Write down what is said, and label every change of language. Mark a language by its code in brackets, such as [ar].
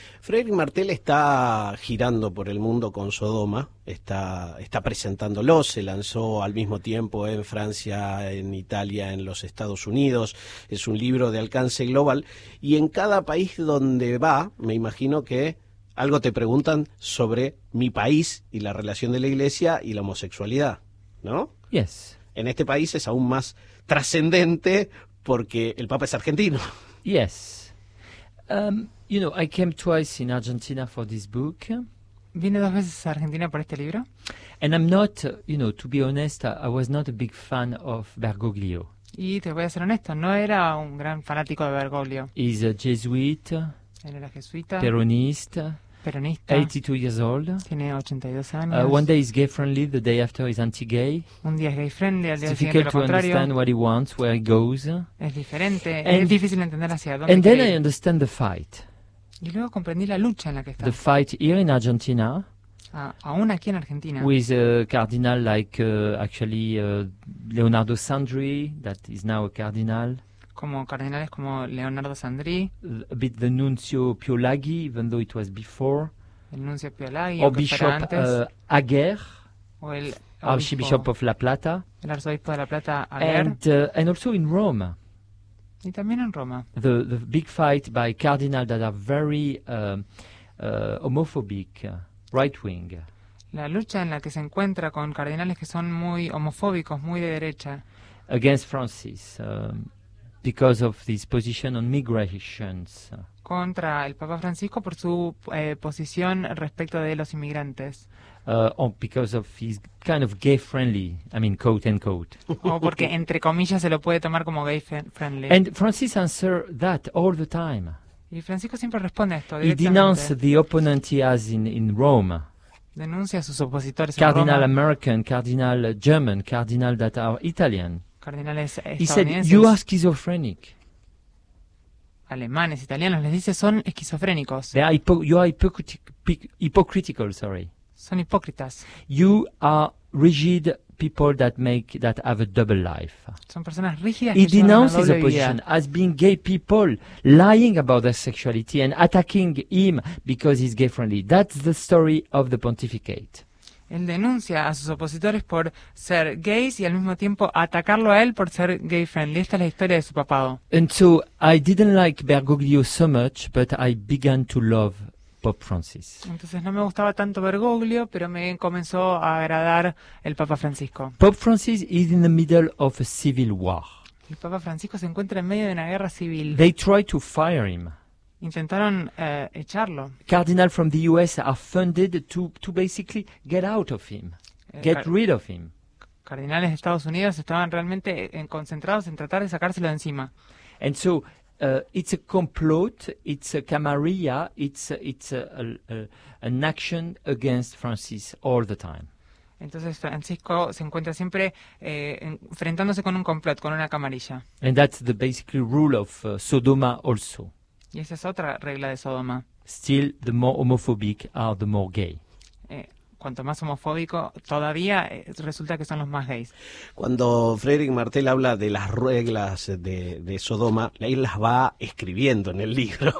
[es] Frederick Martel está girando por el mundo con Sodoma, está presentándolo, se lanzó al mismo tiempo en Francia, en Italia, en los Estados Unidos, es un libro de alcance global, y en cada país donde va, me imagino que algo te preguntan sobre mi país y la relación de la iglesia y la homosexualidad, ¿no? [en] Yes. [es] En este país es aún más trascendente, porque el Papa es argentino. [en] Yes. You know, I came twice in Argentina for this book. [es] Vine dos veces a Argentina por este libro. [en] And I'm not, you know, to be honest, I was not a big fan of Bergoglio. [es] Y te voy a ser honesto, no era un gran fanático de Bergoglio. [en] He's a Jesuit. [es] Él era jesuita. [en] Peronista. 82 years old. [es] Tiene 82 años. [en] One day is gay friendly, the day after is anti-gay. [es] Un día es gay friendly, al día siguiente lo contrario. [en] It's difficult to understand what he wants, where he goes. [es] Es diferente. Es difícil entender hacia dónde. [en] And then I understand the fight. [es] Y luego comprendí la lucha en la que está. [en] The fight here in Argentina. [es] Aún aquí en Argentina. [en] With a cardinal like Leonardo Sandri, that is now a cardinal. [es] Como cardinales como Leonardo Sandri. [en] A bit the nuncio Pio Laghi, even though it was before. [es] El nuncio Pio Laghi. [en] Or Bishop Aguer. [es] O el [en] Archbishop of La Plata. [es] El arzobispo de La Plata, [en] Aguer. And also in Rome. [es] Y también en Roma. [en] The big fight by cardinals that are very homophobic, right wing. [es] La lucha en la que se encuentra con cardinales que son muy homofóbicos, muy de derecha. [en] Against Francis, because of his position on migrations. [es] Contra el Papa Francisco por su posición respecto de los inmigrantes. [en] Because of his kind of gay friendly, I mean, quote unquote. [es] O porque entre comillas se lo puede tomar como gay friendly. [en] And Francis answer that all the time. [es] Y Francisco siempre responde esto. [en] He denounces the opponent he has in Rome. [es] Denuncia a sus opositores. [en] Cardinal [es] en Roma. [en] American, cardinal German, cardinal that are Italian. [es] Cardinales estadounidenses. [en] He said you are schizophrenic. [es] Alemanes, italianos, les dice son esquizofrénicos. [en] They are hypocritical. Sorry. [es] Son hipócritas. [en] You are rigid people that have a double life. [es] Son personas rígidas. [en] He denounces the position as being gay people lying about their sexuality and attacking him because he's gay friendly. That's the story of the pontificate. [es] Él denuncia a sus opositores por ser gays y al mismo tiempo atacarlo a él por ser gay friendly. Esta es la historia de su papado. [en] And so I didn't like Bergoglio so much, but I began to love Pope Francis. [es] Entonces no me gustaba tanto Bergoglio, pero me comenzó a agradar el Papa Francisco. [en] Pope Francis is in the middle of a civil war. [es] El Papa Francisco se encuentra en medio de una guerra civil. [en] They tried to fire him. [es] Intentaron echarlo. [en] Cardinal from the US are funded to basically get out of him. Get rid of him. [es] Cardinales de Estados Unidos estaban realmente concentrados en tratar de sacárselo de encima. [en] And so it's a complot, it's a camarilla, it's an action against Francis all the time. [es] Entonces Francisco se encuentra siempre enfrentándose con un complot, con una camarilla. [en] And that's the basic rule of Sodoma also. [es] Y esa es otra regla de Sodoma. [en] Still, the more homophobic are the more gay. [es] Cuanto más homofóbico, todavía resulta que son los más gays. Cuando Frederic Martel habla de las reglas de Sodoma, él las va escribiendo en el libro.